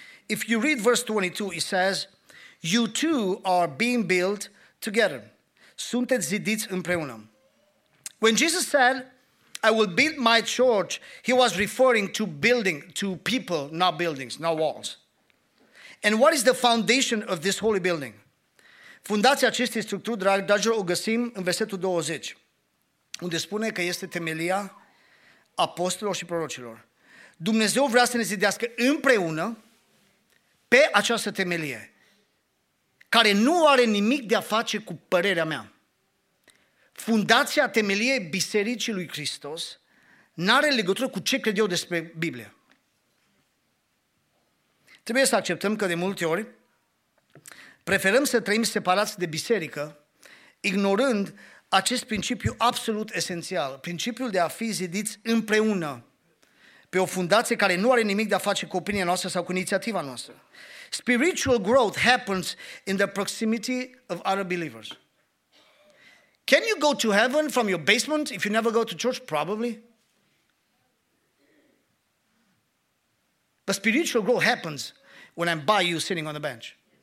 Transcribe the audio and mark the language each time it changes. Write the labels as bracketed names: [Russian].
[English] If you read verse 22, it says, you two are being built together. [Romanian] Sunteți zidiți împreună. [English] When Jesus said, I will build my church, he was referring to building, to people, not buildings, not walls. And what is the foundation of this holy building? [Romanian] Fundația acestei structuri, dragilor, o găsim în versetul 20, unde spune că este temelia apostolilor și prorocilor. Dumnezeu vrea să ne zidească împreună pe această temelie, care nu are nimic de a face cu părerea mea. Fundația temeliei Bisericii lui Hristos n-are legătură cu ce cred eu despre Biblie. Trebuie să acceptăm că de multe ori preferăm să trăim separați de biserică, ignorând acest principiu absolut esențial, principiul de a fi zidiți împreună pe o fundație care nu are nimic de a face cu opinia noastră sau cu inițiativa noastră. [English] Spiritual growth happens in the proximity of other believers. Can you go to heaven from your basement if you never go to church? Probably. But spiritual growth happens when I'm by you sitting on the bench.